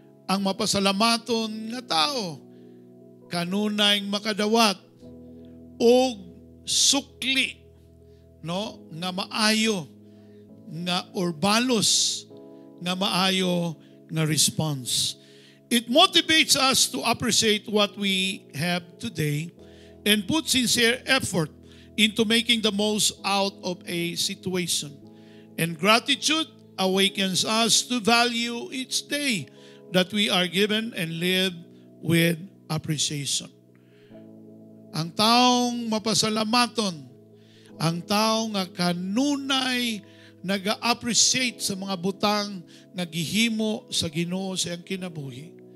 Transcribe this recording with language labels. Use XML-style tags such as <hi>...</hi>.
<ceb>Ang mapasalamaton nga tao, kanunayng makadawat og sukli, no, nga maayo nga urbalos nga maayo nga response.</ceb> <en>It motivates us to appreciate what we have today and put sincere effort into making the most out of a situation. And gratitude awakens us to value each day that we are given and live with appreciation.</en> <ceb>Ang taong mapasalamaton, ang taong kanunay nag-appreciate sa mga butang na gihimo sa Ginoo sa iyang kinabuhi,</ceb>